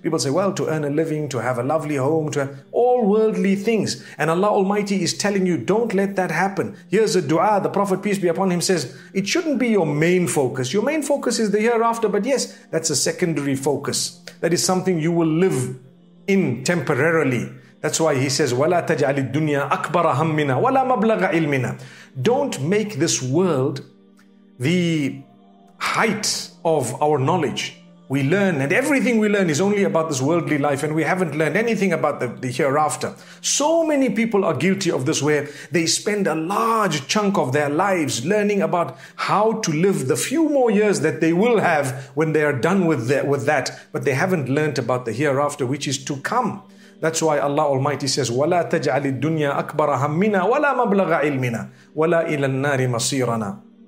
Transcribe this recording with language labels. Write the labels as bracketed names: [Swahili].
[English] People say, well, to earn a living, to have a lovely home, to have all worldly things. And Allah Almighty is telling you, don't let that happen. Here's a dua. The Prophet, peace be upon him, says, it shouldn't be your main focus. Your main focus is the hereafter. But yes, that's a secondary focus. That is something you will live in temporarily. That's why he says, [Arabic] وَلَا تَجْعَلِ الدُّنْيَا أَكْبَرَ هَمِّنَا وَلَا مَبْلَغَ عِلْمِنَا. [English] Don't make this world the height of our knowledge. We learn, and everything we learn is only about this worldly life, and we haven't learned anything about the hereafter. So many people are guilty of this, where they spend a large chunk of their lives learning about how to live the few more years that they will have when they are done with that, but they haven't learned about the hereafter, which is to come. That's why Allah Almighty says, [Arabic] وَلَا تَجْعَلِ الدُّنْيَا أَكْبَرَ هَمِّنَا وَلَا مَبْلَغَ عِلْمِنَا وَلَا إِلَى النَّارِ مَصِيرَنَا.